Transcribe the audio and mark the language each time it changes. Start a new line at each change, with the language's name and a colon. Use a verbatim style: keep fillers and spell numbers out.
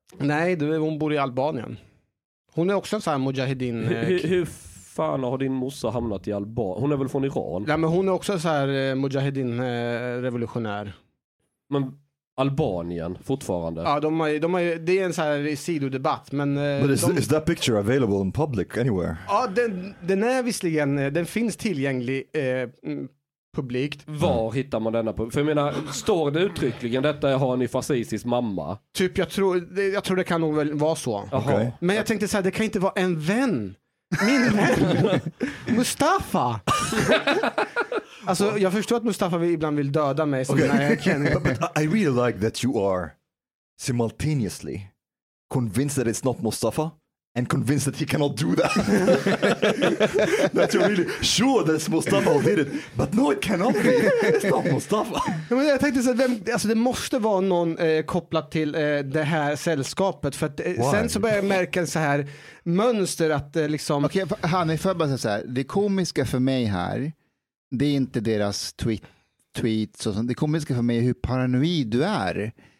Swedish: Nej, du, hon bor i Albanien. Hon är också en sån här mujahedin. Hur, hur fan har din morsa hamnat i Albanien? Hon är väl från Iran? Ja, men hon är också så här mujahedin revolutionär. Men Albanien fortfarande? Ja, de har, de har, det är en så här sidodebatt. Men
English: But is, de, is that picture available in public anywhere?
Swedish: Ja, den, den är visserligen, den finns tillgänglig eh, publikt. Var hittar man denna? För jag menar, står det uttryckligen detta är Hanif Azizi's mamma? Typ, jag tror, jag tror det kan nog väl vara så. Okay. Men jag tänkte så här, det kan inte vara en vän. Min vän. Mustafa. Alltså, jag förstår att Mustafa ibland vill döda mig. Okay. När jag kan...
English: but, but I really like that you are simultaneously convinced that it's not Mustafa. And convinced that he cannot do that. That you're really sure that Mustafa did it. But no, it cannot be. It's not Mustafa.
Swedish: Ja, men jag tänkte så att vem, alltså det måste vara någon eh, kopplat till eh, det här sällskapet. För att, eh, sen så börjar jag märka så här mönster att eh, liksom... Okej, okay, Hanif, får jag bara säga så här. Det komiska för mig här, det är inte deras tweet, tweets och sånt. Det komiska för mig är hur paranoid du är.